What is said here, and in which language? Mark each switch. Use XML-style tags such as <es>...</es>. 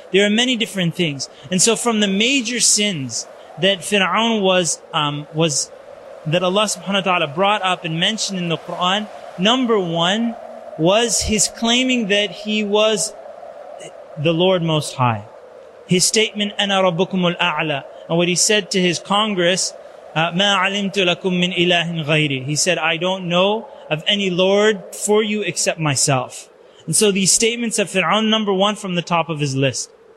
<en>There are many different things. And so from the major sins that Fir'aun was, that Allah subhanahu wa ta'ala brought up and mentioned in the Quran, number one was his claiming that he was the Lord Most High. His statement,</en> <ar>أَنَا رَبُّكُمُ الْأَعْلَى.</ar> <en>And what he said to his Congress,</en> <ar>مَا عَلِمْتُ لَكُم مِّنْ إِلَٰهٍ غَيْرِ.</ar> <en>He said, I don't know of any Lord for you except myself. And so these statements of Fir'aun, number one from the top of his list.</en>